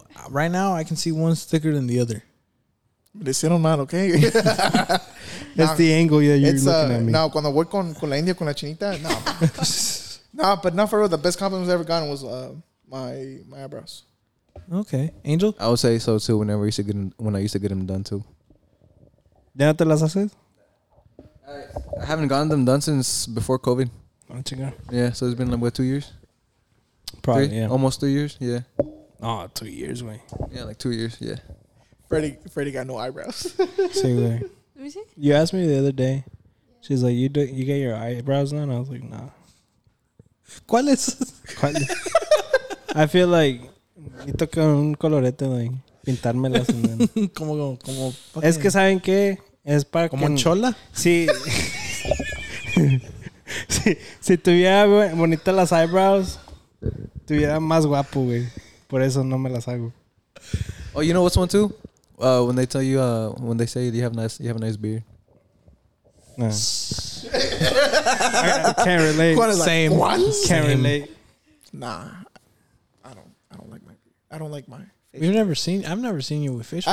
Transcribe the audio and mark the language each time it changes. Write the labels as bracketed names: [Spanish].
[English] Right now I can see one thicker than the other. They sit on that, okay? That's the angle. Yeah, you're looking at me. [Spanish] No, cuando voy con la India con la chinita, no. [English] No, but not for real. The best compliment I've ever gotten was my eyebrows. Okay, Angel. I would say so too. When I used to get them done too. [Spanish] ¿Ya no te las haces? [English] I haven't gotten them done since before COVID. Don't you go? Yeah, so it's been like what, 2 years? Probably. Almost 3 years. Yeah. Oh, 2 years, man. Yeah, like 2 years. Yeah. Freddie got no eyebrows. Same there. Let me see. You asked me the other day. She's like, you get your eyebrows done? I was like, nah. [Spanish] ¿Cuáles? ¿Cuáles? [English] I feel like. [Spanish] Y toca un colorete, [English] like, [Spanish] pintármelas. como es que, ¿saben qué? Es para como chola. Sí. Si tuviera bonitas las eyebrows, tuviera más guapo, güey. Por eso no me las hago. [English] Oh, you know what's one too? When they tell you, when they say you have a nice beard. I can't relate. What is same. Like, what? Can't same. Relate. Nah, I don't like my beard. I don't like my. I've never seen you with facial.